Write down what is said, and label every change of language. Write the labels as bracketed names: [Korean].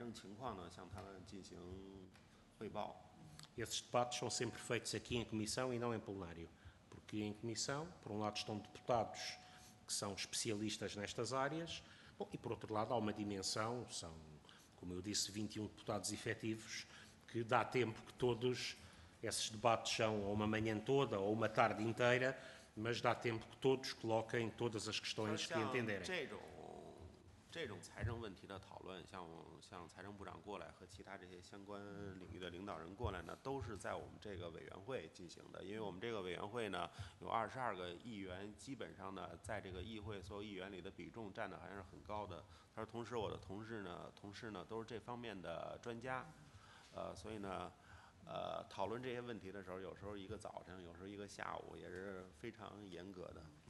[Chinese] 同时呢，比如说葡萄牙的中央银行、葡萄牙的这个证券管理方面的负责人，都会经常性的到他们这个委员会，对这个葡萄牙的财政情况呢，向他们进行汇报。 [Portuguese] Esses debates são sempre feitos aqui em comissão e não em plenário, porque em comissão, por um lado, estão deputados que são especialistas nestas áreas, bom, e por outro lado, há uma dimensão, são, como eu disse, 21 deputados efetivos, que dá tempo que todos esses debates são ou uma manhã toda ou uma tarde inteira, mas dá tempo que todos coloquem todas as questões que entenderem. [Chinese] 这种财政问题的讨论，像财政部长过来和其他这些相关领域的领导人过来呢，都是在我们这个委员会进行的。因为我们这个委员会呢，有22个议员，基本上呢，在这个议会所有议员里的比重占得还是很高的。他是同时我的同事呢，都是这方面的专家，所以呢，讨论这些问题的时候，有时候一个早上，有时候一个下午，也是非常严格的。